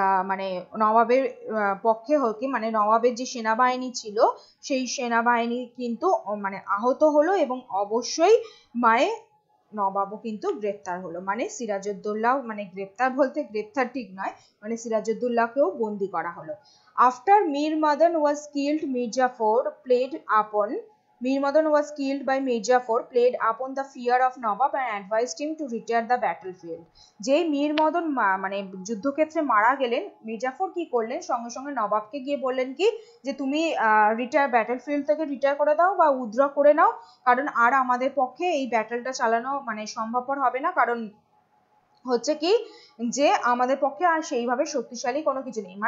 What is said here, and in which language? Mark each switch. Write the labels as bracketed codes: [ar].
[bn] মানে নবাবের পক্ষে হোক মানে নবাবের যে সেনাবাহিনী ছিল সেই সেনাবাহিনী কিন্তু মানে আহত হলো, এবং অবশ্যই মায়ে নবাবও কিন্তু গ্রেপ্তার হলো, মানে সিরাজউদ্দৌলা মানে গ্রেপ্তার বলতে গ্রেপ্তার ঠিক নয়, মানে সিরাজউদ্দৌলাকেও বন্দি করা হলো। [en] After Mir Madan was killed, Mir Jafar played upon Mir Madan was killed by Mir Jafar played upon the fear of Nawab and advised him to retire the battlefield. [bn] যে মীর মদন মানে যুদ্ধক্ষেত্রে মারা গেলেন, মীর জাফর কি করলেন, সঙ্গে সঙ্গে নবাবকে গিয়ে বললেন কি যে তুমি রিটায়ার ব্যাটলফিল্ড থেকে রিটায়ার করে দাও বা উইথড্র করে নাও, কারণ আর আমাদের পক্ষে এই ব্যাটলটা চালানো মানে সম্ভবপর হবে না, কারণ হচ্ছে কি যে আমাদের পক্ষে আর সেইভাবে শক্তিশালী কোনো কিছু নেই।